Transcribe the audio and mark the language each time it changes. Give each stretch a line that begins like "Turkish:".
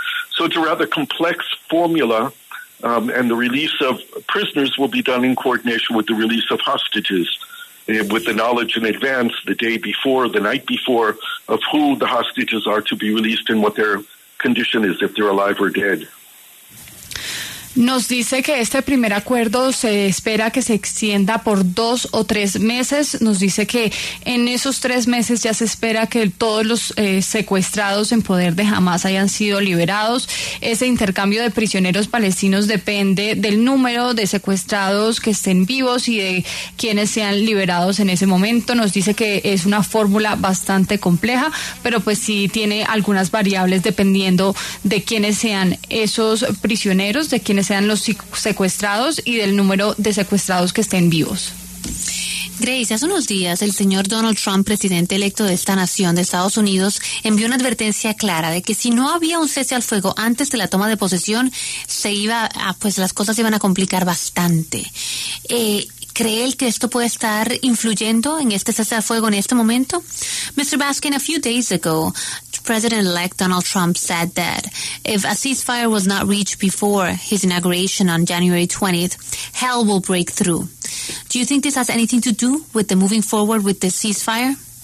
English: So it's a rather complex formula, and the release of prisoners will be done in coordination with the release of hostages, with the knowledge in advance, the day before, the night before, of who the hostages are to be released and what their condition is, if they're alive or dead.
Spanish: Nos dice que este primer acuerdo se espera que se extienda por 2 o 3 meses. Nos dice que en esos 3 meses ya se espera que todos los secuestrados en poder de Hamas hayan sido liberados. Ese intercambio de prisioneros palestinos depende del número de secuestrados que estén vivos y de quienes sean liberados en ese momento. Nos dice que es una fórmula bastante compleja, pero pues sí tiene algunas variables dependiendo de quiénes sean esos prisioneros, de quienes sean los secuestrados y del número de secuestrados que estén vivos. Grace, hace unos días el señor Donald Trump, presidente electo de esta nación de Estados Unidos, envió una advertencia clara de que si no había un cese al fuego antes de la toma de posesión, las cosas se iban a complicar bastante. ¿Cree él que esto puede estar influyendo en este cese al fuego en este momento?
English: Mr. Baskin, a few days ago, President-elect Donald Trump said that if a ceasefire was not reached before his inauguration on January 20th, hell will break through. Do you think this has anything to do with the moving forward with the ceasefire?